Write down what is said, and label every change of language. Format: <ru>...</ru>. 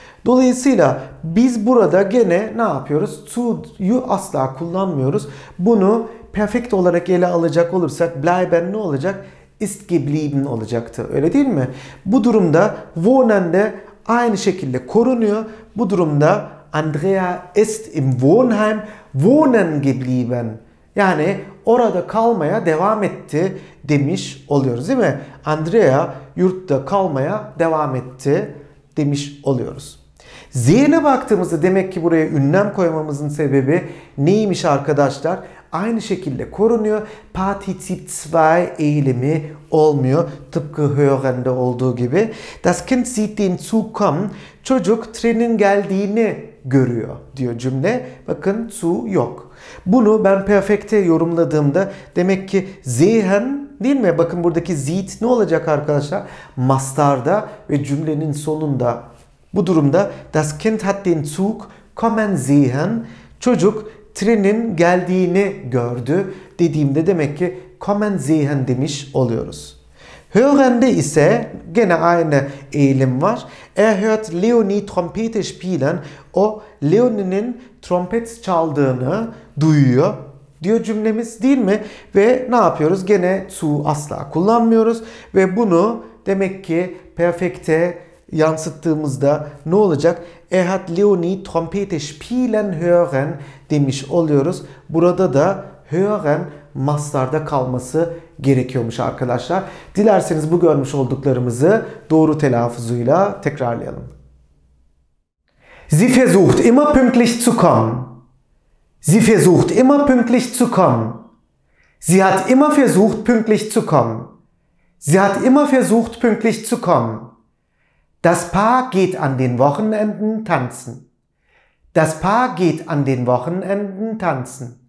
<tr>Dolayısıyla biz burada gene ne yapıyoruz? Zu'yu asla kullanmıyoruz. Bunu perfect olarak ele alacak olursak bleiben ne olacak?</tr> <de>Ist geblieben</de> <tr>olacaktı. Öyle değil mi? Bu durumda wohnen de aynı şekilde korunuyor. Bu durumda</tr> <de>Andrea ist im Wohnheim wohnen geblieben.</de> <tr>Yani orada kalmaya devam etti demiş oluyoruz değil mi? Andrea yurtta kalmaya devam etti demiş oluyoruz. Z'ne baktığımızda demek ki buraya ünlem koymamızın sebebi neymiş arkadaşlar? Aynı şekilde korunuyor. Partizip 2 eylemi olmuyor. Tıpkı hören'de olduğu gibi.</tr> <de>Das Kind sieht den Zug kommen.</de> <tr>Çocuk trenin geldiğini görüyor diyor cümle. Bakın zu yok. Bunu ben perfekte yorumladığımda demek ki sehen değil mi? Bakın buradaki sieht ne olacak arkadaşlar? Mastarda ve cümlenin sonunda. Bu durumda</tr> <de>das Kind hat den Zug kommen sehen.</de> <tr>Çocuk trenin geldiğini gördü dediğimde demek ki</tr> <de>kommen sehen</de> <tr>demiş oluyoruz. Hören'de ise gene aynı eğilim var.</tr> <de>Er hört Leonie Trompete spielen.</de> <tr>O Leonie'nin trompet çaldığını duyuyor diyor cümlemiz değil mi? Ve ne yapıyoruz? Gene zu asla kullanmıyoruz. Ve bunu demek ki perfekte yansıttığımızda ne olacak?</tr> <de>Er hat Leonie Trompete spielen hören</de> <tr>demiş oluyoruz. Burada da hören mastarda kalması gerekiyormuş arkadaşlar. Dilerseniz bu görmüş olduklarımızı doğru telaffuzuyla tekrarlayalım.</tr> <de>Sie versucht immer pünktlich zu kommen. Sie versucht immer pünktlich zu kommen. Sie hat immer versucht pünktlich zu kommen. Sie hat immer versucht pünktlich zu kommen. Das Paar geht an den Wochenenden tanzen. Das Paar geht an den Wochenenden tanzen.</de>